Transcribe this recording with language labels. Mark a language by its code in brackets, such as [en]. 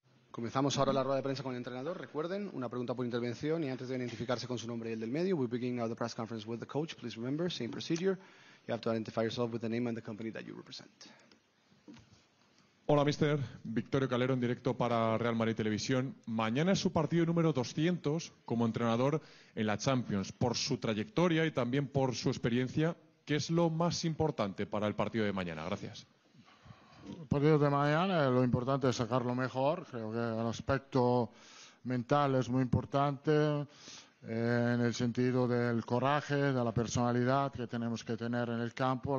[es] Comenzamos ahora la rueda de prensa con el entrenador. Recuerden, una pregunta por intervención y antes de identificarse con su nombre y el del medio. [en] We begin now the press conference with the coach. Please remember, same procedure. You have to identify yourself with the name and the company that you represent. [es] Hola, mister. Victorio Calero en directo para Real Madrid Televisión. Mañana es su partido número 200 como entrenador en la Champions. Por su trayectoria y también por su experiencia, ¿qué es lo más importante para el partido de mañana? Gracias. El partido de mañana, lo importante es sacarlo mejor. Creo que el aspecto mental es muy importante en el sentido del coraje, de la personalidad que tenemos que tener en el campo.